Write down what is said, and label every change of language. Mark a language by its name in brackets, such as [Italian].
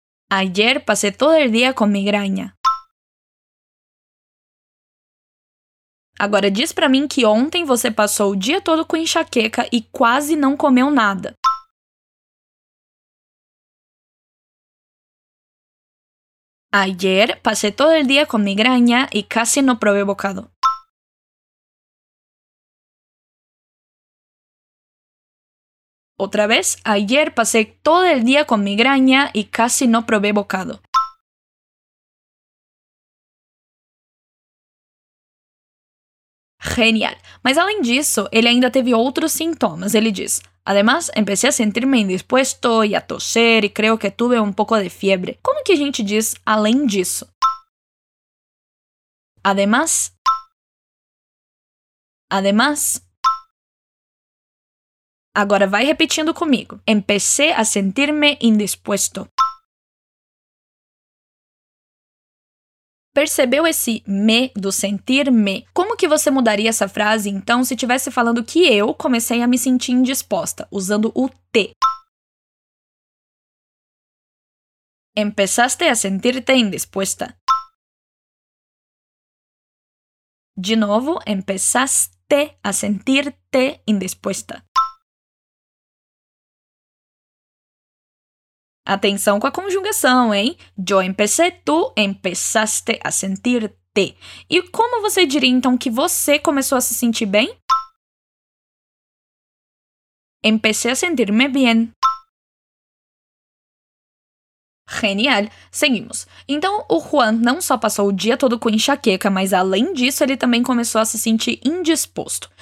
[Spanish] Ayer pasé todo el día con migraña. [Portuguese] Agora, diz pra mim que ontem você passou o dia todo com enxaqueca e quase não comeu nada. [Spanish] Ayer pasé todo el día con migraña y casi no probé bocado. [Portuguese] Outra vez, [Spanish] ayer pasé todo el día con migraña y casi no probé bocado. Genial. [Portuguese] Mas além disso, ele ainda teve outros sintomas. Ele diz: [Spanish] Además, empecé a sentirme indispuesto y a toser y creo que tuve un poco de fiebre. [Portuguese] Como que a gente diz além disso? [Spanish] Además. Además. [Portuguese] Agora vai repetindo comigo. [Spanish] Empecé a sentirme indispuesto. [Portuguese] Percebeu esse me do sentir-me? Como que você mudaria essa frase, então, se estivesse falando que eu comecei a me sentir indisposta, usando o te? [Spanish] Empezaste a sentir-te indisposta. [Portuguese] De novo, [Spanish] empezaste a sentir-te indisposta. [Portuguese] Atenção com a conjugação, hein? [Spanish] Yo empecé, tú empezaste a sentirte. [Portuguese] E como você diria, então, que você começou a se sentir bem? [Spanish] Empecé a sentirme bien. [Portuguese] Genial! Seguimos. Então, o Juan não só passou o dia todo com enxaqueca, mas além disso, ele também começou a se sentir indisposto.